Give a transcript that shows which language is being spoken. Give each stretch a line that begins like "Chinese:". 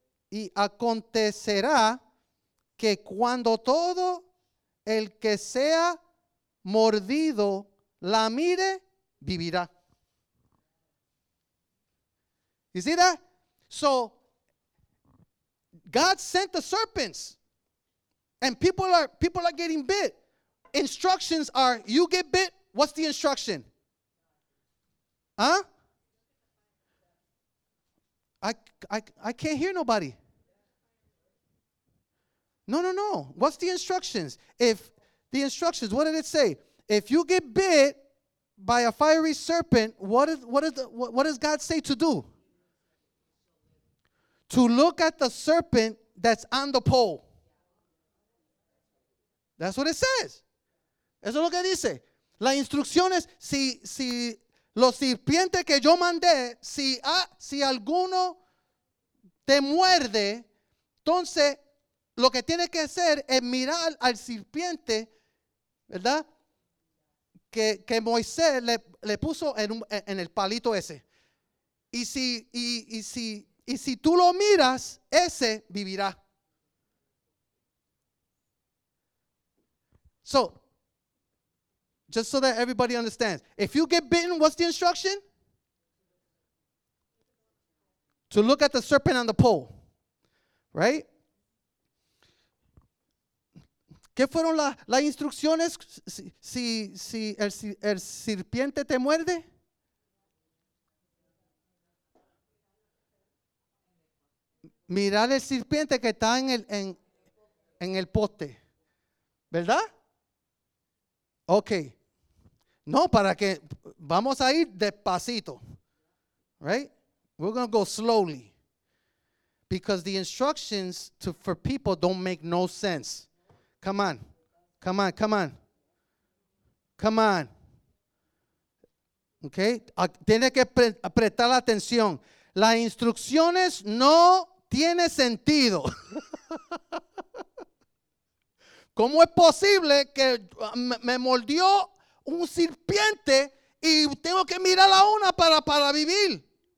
Spanish: Y acontecerá que cuando todo el que sea mordido la mire, vivirá.
English: You see that? So, God sent the serpents and people are getting bit. Instructions are, you get bit, what's the instruction? Huh? I can't hear nobody. No. What's the instructions? What did it say? If you get bit by a fiery serpent, what does God say to do? To look at the serpent that's on the pole. That's what it says.
Spanish: Eso es lo que dice. La instrucción es, si los serpientes que yo mandé, si alguno te muerde, entonces lo que tiene que hacer es mirar al serpiente, ¿verdad? Que Moisés le puso en el palito ese. Y si tú lo miras, ese vivirá.
English: So, just so that everybody understands. If you get bitten, what's the instruction? To look at the serpent on the pole. Right?
Spanish: ¿Qué fueron las instrucciones si el serpiente te muerde? Mirar el serpiente que está en el poste, ¿verdad? Ok. No, para que vamos a ir despacito,
English: right? We're gonna go slowly because the instructions to for people don't make no sense. Come on, come on, come on, come on.
Spanish: Okay, tiene que prestar atención. Las instrucciones no tiene sentido. ¿Cómo es posible que me mordió un serpiente y tengo que mirar a una para vivir?